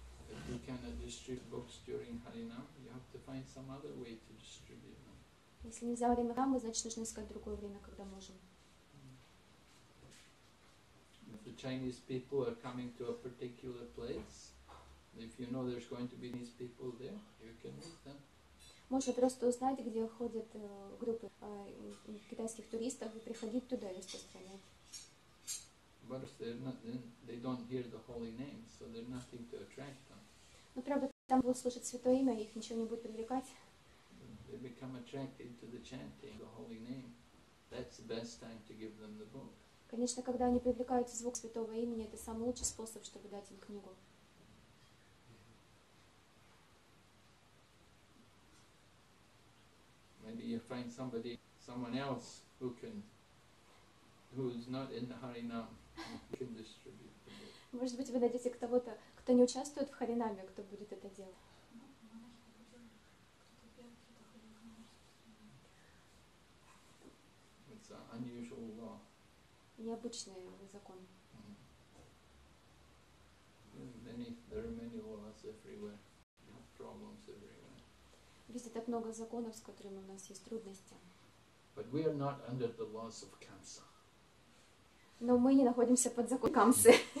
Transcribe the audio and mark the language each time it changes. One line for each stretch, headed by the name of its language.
English: If you cannot distribute books during harinama, you have to find some other way to distribute them.
Russian: Если нельзя во время харинама, значит нужно искать другое время, когда можем.
English: If the Chinese people are coming to a particular place, if you know there's going to be these people there, you can meet them.
Russian: Можно просто узнать, где ходят группы китайских туристов, и приходить туда и распространять.
English: But they don't hear the holy name, so there's nothing to attract them.
Russian: Но правда, там будут слушать святое имя, их ничего не будет привлекать.
English: They become attracted to the chanting the holy name. That's the best time to give them the book.
Russian: Конечно, когда они привлекают звук святого имени, это самый лучший способ, чтобы дать им книгу.
English: Maybe you find somebody, someone else who can, who is not in the Harinam, who can distribute.
Russian: Может быть, вы найдете кого-то, кто не участвует в Харинаме, кто будет это делать.
English: It's an unusual law.
Russian: Необычный закон.
English: There are many laws everywhere. We have problems everywhere.
Russian: Везде так много законов, с которыми у нас есть трудности.
English: But we are not under the laws of Kamsa.
Russian: Но мы не находимся под законом Камсы.